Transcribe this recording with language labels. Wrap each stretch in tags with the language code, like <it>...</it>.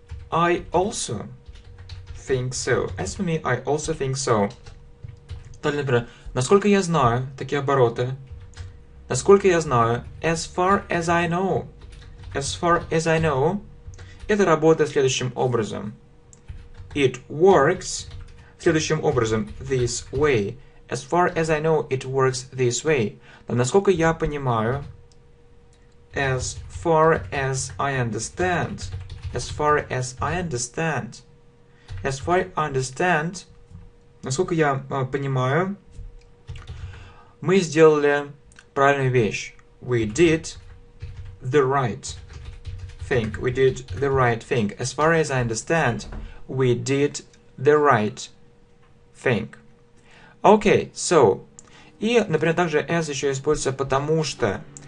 <en>I also think so. As for me, I also think so.</en> <ru>Так, например, насколько я знаю, такие обороты. Насколько я знаю,</ru> <en>as far as I know. As far as I know.</en> <ru>Это работает следующим образом.</ru> <en>It works</en> <ru>следующим образом.</ru> <en>This way. As far as I know, it works this way.</en> <ru>Но насколько я понимаю.</ru> <en>As far as I understand. As far as I understand. As far as I understand.</en> <ru>Насколько я понимаю. Мы сделали правильную вещь.</ru> <en>We did the right thing. We did the right thing. As far as I understand, we did the right thing. Okay, so.</en> <ru>И, например, также as еще используется потому что.</ru>